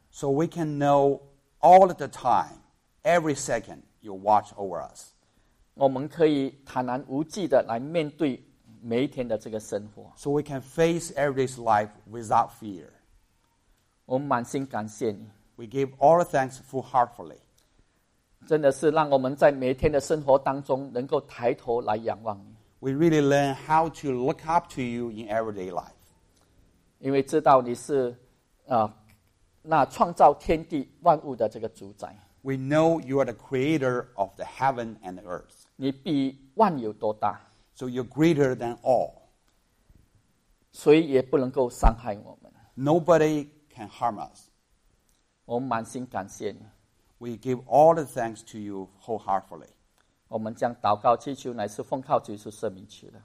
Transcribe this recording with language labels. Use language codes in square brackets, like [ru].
[en] So we can know all the time, every second you watch over us. [zh] 我们可以坦然无惧的来面对每一天的这个生活。 [en] So we can face everyday life without fear. [zh] 我们满心感谢你。 [en] We give all the thanks full heartfully. [zh] 真的是让我们在每一天的生活当中能够抬头来仰望你。 [en] We really learn how to look up to you in everyday life. [zh] 因为知道你是那创造天地万物的这个主宰。 [en] We know you are the creator of the heaven and the earth. [zh] 你比万有多大。 [en] So you're greater than all. [zh] 谁也不能够伤害我们。 [en] Nobody can harm us. [zh] 我们满心感谢你。 [en] We give all the thanks to you wholeheartedly. [zh] 我们将祷告祈求乃是奉靠主耶稣圣名求的。